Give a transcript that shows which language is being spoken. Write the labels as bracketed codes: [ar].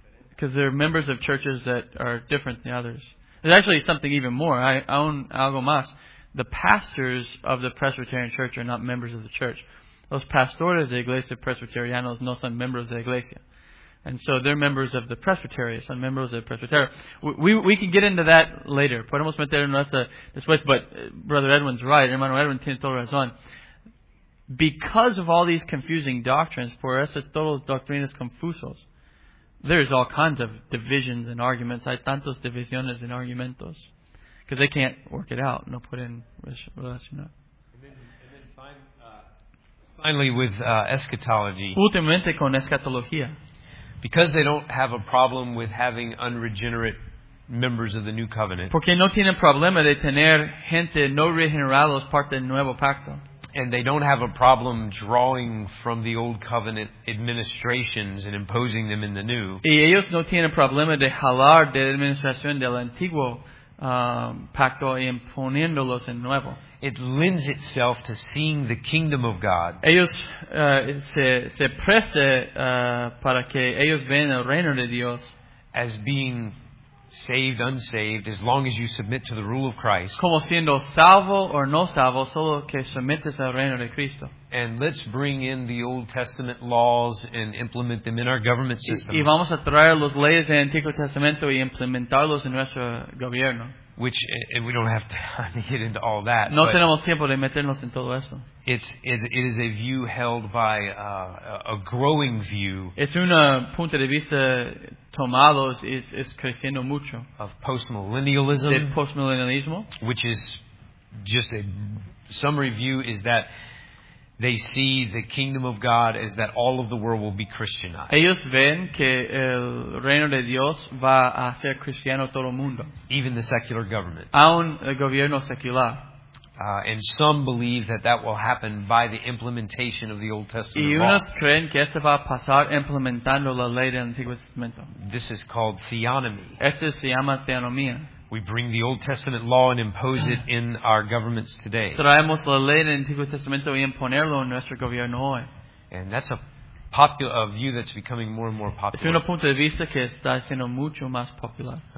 [en] Because they're members of churches that are different than others. There's actually something even more. I own [es] algo más. [en] The pastors of the Presbyterian church are not members of the church. [es] Los pastores de iglesia presbiterianos no son miembros de iglesia. [en] And so they're members of the presbytery. [es] Son miembros del presbiterio. [en] We can get into that later. [es] Podemos meter en nuestra después. [en] But Brother Edwin's right. [es] Hermano Edwin tiene toda razón. [en] Because of all these confusing doctrines, [es] por eso todas doctrinas confusos, [en] there's all kinds of divisions and arguments. [es] Hay tantos divisiones and argumentos. [en] Because they can't work it out. [es] No pueden relacionar. [en] Finally, with eschatology. [es] Últimamente con escatología. [en] Because they don't have a problem with having unregenerate members of the new covenant. [es] Porque no tienen problema de tener gente no regenerados parte del nuevo pacto. [en] And they don't have a problem drawing from the old covenant administrations and imposing them in the new. [es] Y ellos no tienen problema de jalar de la administración del antiguo pacto y imponiéndolos en nuevo. [en] It lends itself to seeing the kingdom of God. [es] Ellos se presta para que ellos vean el reino de Dios. [en] As being saved, unsaved, as long as you submit to the rule of Christ. [es] Como siendo salvo or no salvo, solo que sometes al reino de Cristo. [en] And let's bring in the Old Testament laws and implement them in our government system. [es] Y vamos a traer los leyes del Antiguo Testamento y implementarlos en nuestro gobierno. [en] Which we don't have time to get into all that. [es] No tenemos tiempo de meternos en todo eso. [en] It is a view held by a growing view. [es] Es una punto de vista tomado es creciendo mucho. [en] Of postmillennialism. [es] De postmillennialismo. [en] Which is just a summary view is that they see the kingdom of God as that all of the world will be Christianized. [es] Ellos ven que el reino de Dios va a ser cristiano todo el mundo. [en] Even the secular government. [es] Aún el gobierno secular. [en] And some believe that that will happen by the implementation of the Old Testament law. [es] Y unos creen que esto va a pasar implementando la ley del Antiguo Testamento. [en] This is called theonomy. [es] Esto se llama teonomía. [en] We bring the Old Testament law and impose it in our governments today. [es] Traemos la ley del Antiguo Testamento y imponerlo en nuestro gobierno hoy. [en] And that's a view that's becoming more and more popular. [es] Es un punto de vista que está siendo mucho más popular.